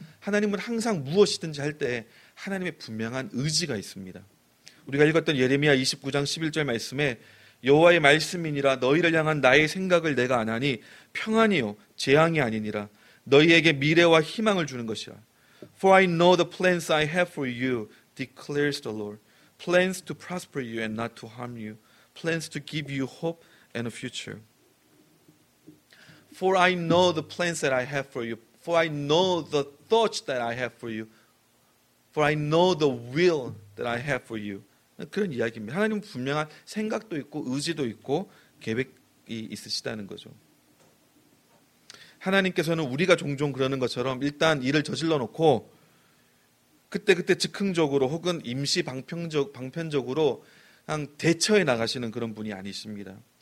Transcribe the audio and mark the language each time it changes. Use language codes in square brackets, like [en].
[ko] 하나님은 항상 무엇이든지 할 때 하나님의 분명한 의지가 있습니다. 우리가 읽었던 예레미야 29장 11절 말씀에 여호와의 말씀이니라 너희를 향한 나의 생각을 내가 아나니 평안이요 재앙이 아니니라 너희에게 미래와 희망을 주는 것이라. [en] For I know the plans I have for you, declares the Lord. Plans to prosper you and not to harm you. Plans to give you hope and a future. For I know the plans that I have for you. For I know the thoughts that I have for you. For I know the will that I have for you. [ko] 그런 이야기입니다. 하나님은 분명한 생각도 있고 의지도 있고 계획이 있으시다는 거죠. 하나님께서는 우리가 종종 그러는 것처럼 일단 일을 저질러놓고 그때그때 즉흥적으로 혹은 임시 방편적으로 그냥 대처해 나가시는 그런 분이 아니십니다.